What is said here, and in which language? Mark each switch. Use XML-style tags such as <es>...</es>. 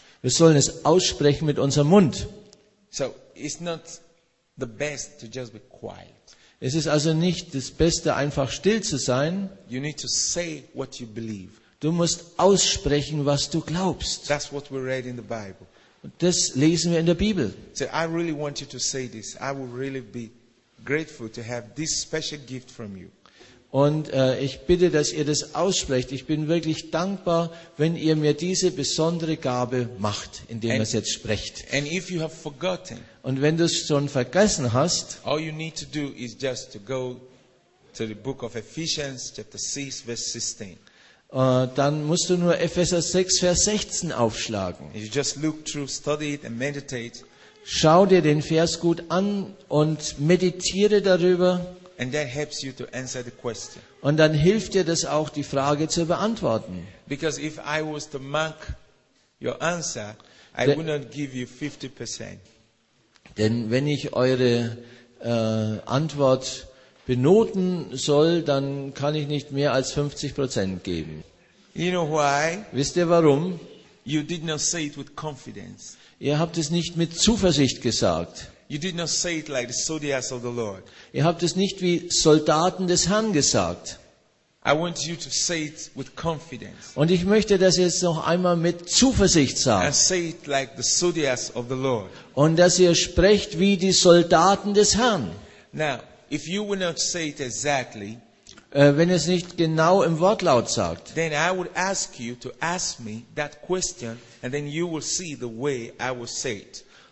<de>Wir sollen es aussprechen mit unserem Mund.</de> <en>So, it's not the best to just be quiet.</en> <de>Es ist also nicht das Beste, einfach still zu sein.</de> <en>You need to say what you believe.</en> <de>Du musst aussprechen, was du glaubst.</de> <en>That's what we read in the Bible.</en> <de>Und das lesen wir in der Bibel.</de> <en>So, I really want you to say this. I would really be grateful to have this special gift from you.</en> <de>Und ich bitte, dass ihr das aussprecht. Ich bin wirklich dankbar, wenn ihr mir diese besondere Gabe macht, indem ihr es jetzt sprecht.</de> <en>And if you have forgotten,</en> <de>und wenn du es schon vergessen hast,</de> <en>all you need to do is just to go to the book of Ephesians, chapter 6, verse 16.</en> <de>Dann musst du nur Epheser 6, Vers 16 aufschlagen.</de> <en>You just look through, study it and meditate.</en> <de>Schau dir den Vers gut an und meditiere darüber.</de> <en>And that helps you to answer the question.</en> <de>Und dann hilft dir das auch, die Frage zu beantworten.</de> <en>Because if I was to mark your answer, I would not give you 50%.</en> <de>Denn wenn ich eure Antwort benoten soll, dann kann ich nicht mehr als 50% geben.</de> <en>You know why?</en> <de>Wisst ihr warum?</de> <en>You did not say it with confidence.</en> <de>Ihr habt es nicht mit Zuversicht gesagt.</de> <en>You did not say it like the soldiers of the Lord.</en> <de>Ihr habt es nicht wie Soldaten des Herrn gesagt.</de> <en>I want you to say it with confidence.</en> <de>Und ich möchte, dass ihr es noch einmal mit Zuversicht sagt.</de> <en>And say it like the soldiers of the Lord.</en> <de>Und dass ihr sprecht wie die Soldaten des Herrn.</de> <en>Now, if you will not say it exactly,</en> <de>wenn ihr es nicht genau im Wortlaut sagt,</de> <en>then I would ask you to ask me that question, and then you will see the way I will say it.</en>